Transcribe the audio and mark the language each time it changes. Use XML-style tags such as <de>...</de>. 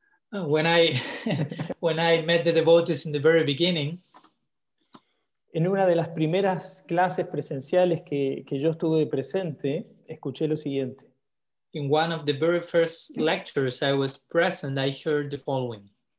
<en>When I met the devotees in the very beginning.</en> <es>En una de las primeras clases presenciales que yo estuve presente, escuché lo siguiente.</es> <en>In one of the very first lectures I was present, I heard the following.</en>